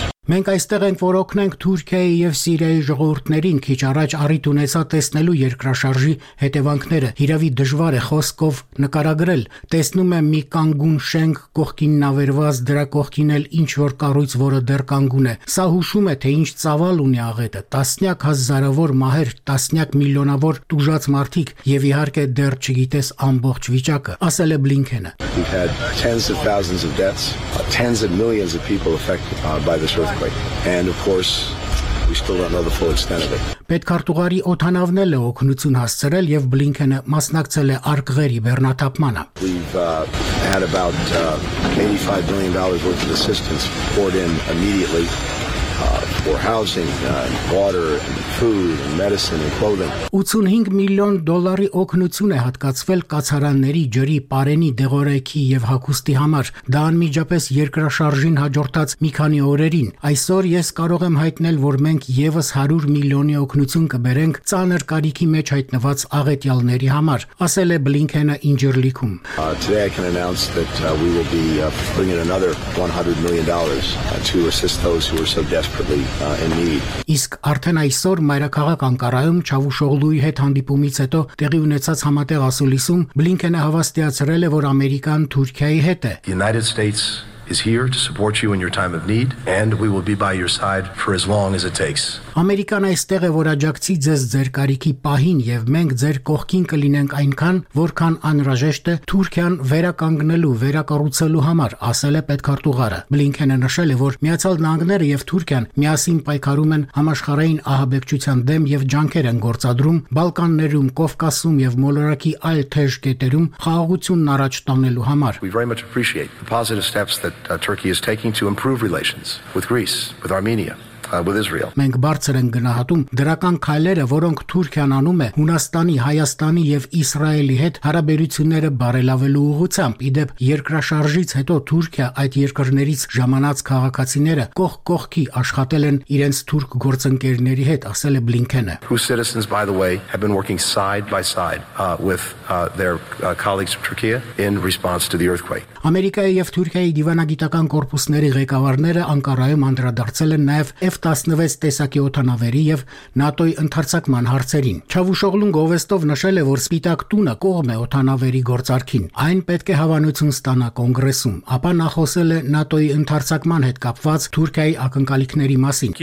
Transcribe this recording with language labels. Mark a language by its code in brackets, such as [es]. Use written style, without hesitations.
[hy] Մենք այստեղ ենք, որ օգնենք Թուրքիայի և Սիրիայի ժողովուրդներին քիչ առաջ առիթ ունեցա տեսնելու երկրաշարժի հետևանքները։ Հիրավի դժվար է խոսքով նկարագրել։ Տեսնում եմ մի կանգուն շենք կողքին ավերված, դրա կողքին էլ ինչ-որ կառույց, որը դեռ կանգուն է։ Սա հուշում է, թե ինչ ծավալ ունի աղետը։ Տասնյակ հազարավոր մահեր, տասնյակ միլիոնավոր տուժած մարդիկ և իհարկե դեռ չգիտես ամբողջ վիճակը, ասել է Բլինքենը։ [en] And of course, we still don't know the full extent of it. [hy] Պետքարտուղարի օթանավն էլ է օգնություն հասցրել և Բլինքենը մասնակցել է արկղերի բեռնաթափմանը։ [en] $85 million [hy] օգնություն է հատկացվել կացարանների, ջրի, պարենի, դեղորայքի և հագուստի համար։ Դա անմիջապես երկրաշարժին հաջորդած մի քանի օրերին։ Այսօր ես կարող եմ հայտնել, որ մենք ևս 100 միլիոնի օգնություն կբերենք ծանր կարիքի մեջ հայտնված աղետյալների համար, ասել է Բլինքենը Ինջիրլիքում։ [en] Today I can announce that we will be bringing another $100 million to assist those who are so desperately [hy] Իսկ արդեն այսօր մայրաքաղաք Անկարայում Չավուշօղլուի հետ հանդիպումից հետո տեղի ունեցած համատեղ ասուլիսում Բլինքենը հավաստիացրել է, որ Ամերիկան Թուրքիայի հետ է. [en] United States is here to support you in your time of need and we will be by your side for as long as it takes. [hy] Ամերիկան այստեղ է, որ աջակցի ձեզ ձեր կարիքի պահին եւ մենք ձեր կողքին կլինենք այնքան, որքան անհրաժեշտ է Թուրքիան վերականգնելու, վերակառուցելու համար, ասել է պետքարտուղարը։ Բլինքենը նշել է, որ Միացյալ Նահանգները եւ Թուրքիան միասին պայքարում են համաշխարհային ահաբեկչության դեմ եւ ջանքեր են գործադրում Բալկաններում, Կովկասում եւ մոլորակի այլ թեժ կետերում խաղաղությունն առաջ տանելու համար։ [en] That Turkey is taking to improve relations with Greece, with Armenia, with Israel. [hy] Մենք բարձր ենք գնահատում դրական քայլերը, որոնք Թուրքիան անում է Հունաստանի, Հայաստանի եւ Իսրայելի հետ հարաբերությունները բարելավելու ուղղությամբ։ Իդեպ, երկրաշարժից հետո Թուրքիա այդ երկրներից ժամանած քաղաքացիները կողք-կողքի աշխատել են իրենց թուրք գործընկերների հետ, ասել է Բլինքենը։ [en] Whose citizens, by the way, have been working side by side with their colleagues from Turkey in response to the earthquake. [hy] Ամերիկայի եւ Թուրքիայի դիվանագիտական կորպուսների ղեկավարները Անկարայում անդրադարձել են նաեւ F-16 տեսակի օթանավերի եւ ՆԱՏՕ-ի ընդարձակման հարցերին։ Չավուշօղլուն Գովեստով նշել է, որ Սպիտակ տունը կողմ է օթանավերի գործարքին։ Այն պետք է հավանություն ստանա կոնգրեսում, ապա նա խոսել է ՆԱՏՕ-ի ընդարձակման հետ կապված Թուրքիայի ակնկալիքների մասին։